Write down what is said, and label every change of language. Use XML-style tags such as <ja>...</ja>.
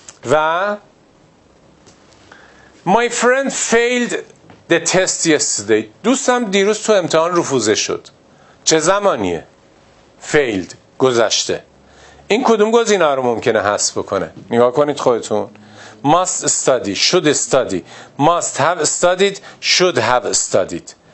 <en>و My friend failed the test yesterday.</en> <fa>دوستم دیروز تو امتحان رفوزه شد. چه زمانیه؟ failed، گذشته. این کدوم گزینه رو ممکنه حذف بکنه؟ نگاه کنید خودتون.</fa> <en>must study، should study، must have studied، should have studied.</en>